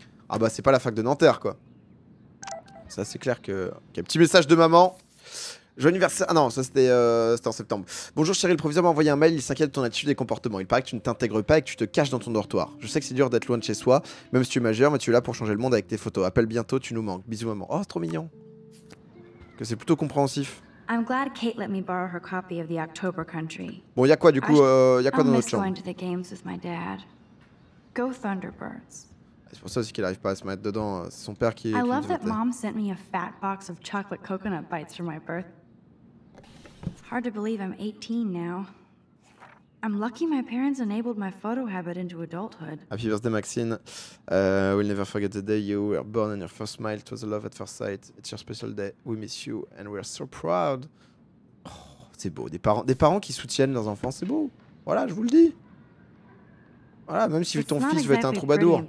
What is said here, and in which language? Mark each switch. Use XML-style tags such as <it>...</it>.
<fr>Ah bah, c'est pas la fac de Nanterre, quoi. Ça, c'est clair que... Ok, petit message de maman. Joyeux anniversaire... Ah non, ça, c'était en septembre. Bonjour, chérie, le proviseur m'a envoyé un mail. Il s'inquiète de ton attitude et comportement. Il paraît que tu ne t'intègres pas et que tu te caches dans ton dortoir. Je sais que c'est dur d'être loin de chez soi, même si tu es majeur, mais tu es là pour changer le monde avec tes photos. Appelle bientôt, tu nous manques. Bisous, maman. Oh, c'est trop mignon. Que c'est plutôt compréhensif.</fr> <en>I'm glad Kate let me borrow her copy of the October Country.</en> <fr>Bon, y a quoi du coup? Y a quoi dans notre chambre?</fr> <en>I miss going to the games with my dad. Go Thunderbirds.</en> <fr>C'est pour ça aussi qu'il n'arrive pas à se mettre dedans. C'est son père qui.</fr> <en>I love that mom sent me a fat box of chocolate coconut bites for my birthday. Hard to believe I'm 18 now. I'm lucky my parents enabled my photo habit into adulthood. Happy birthday, Maxine. We'll never forget the day you were born and your first smile. It was a love at first sight. It's your special day. We miss you and we're so proud.</en> <fr>Oh, c'est beau. Des parents qui soutiennent leurs enfants, c'est beau. Voilà, je vous le dis. Voilà, même si ton fils veut être un troubadour.</fr>